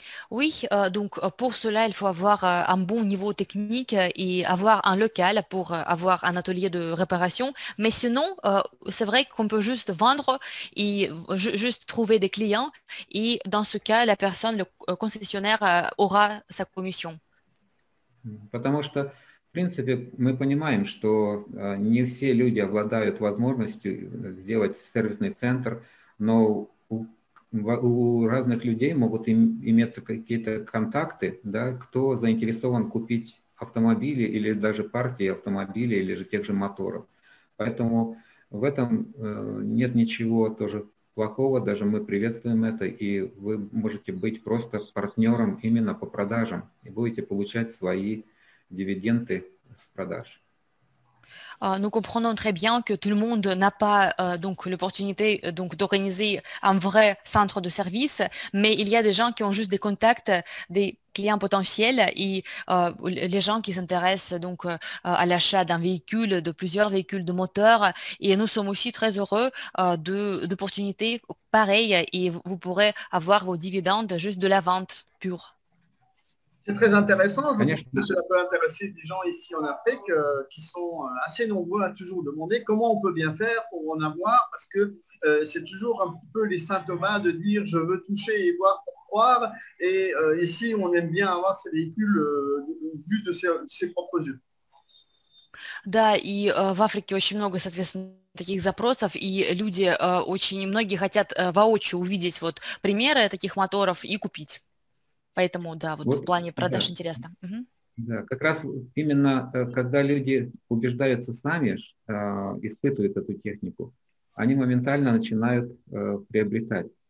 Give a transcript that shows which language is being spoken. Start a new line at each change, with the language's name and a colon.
French: Oui, donc pour cela, il faut avoir un bon niveau technique et avoir un local pour avoir un atelier de réparation. Mais sinon, c'est vrai qu'on peut juste vendre et juste trouver des clients. Et dans ce cas, la personne, le concessionnaire, aura sa commission.
Russian: Потому что В принципе, мы понимаем, что не все люди обладают возможностью сделать сервисный центр, но у разных людей могут иметься какие-то контакты, да, кто заинтересован купить автомобили или даже партии автомобилей или же тех же моторов. Поэтому в этом нет ничего тоже плохого, даже мы приветствуем это, и вы можете быть просто партнером именно по продажам и будете получать свои дивиденды с продаж.
French: Nous comprenons très bien que tout le monde n'a pas donc l'opportunité donc d'organiser un vrai centre de service, mais il y a des gens qui ont juste des contacts, des clients potentiels et les gens qui s'intéressent donc à l'achat d'un véhicule, de plusieurs véhicules de moteur. Et nous sommes aussi très heureux d'opportunités pareilles et vous pourrez avoir vos dividendes juste de la vente pure. C'est très intéressant, je pense que cela peut intéresser des gens ici en Afrique qui sont assez nombreux à toujours demander comment on peut bien faire pour en avoir, parce que c'est toujours un peu les symptômes de dire je veux toucher et voir pour croire, et ici on aime bien avoir ces véhicules vus de ses propres yeux.
Russian: Да, и в Африке очень много, соответственно, таких запросов, и люди очень многие хотят воочию увидеть вот примеры таких моторов и купить. Поэтому, да, вот, в плане продаж да, интересно. Да, как раз именно когда люди убеждаются сами, испытывают эту технику, они моментально начинают приобретать.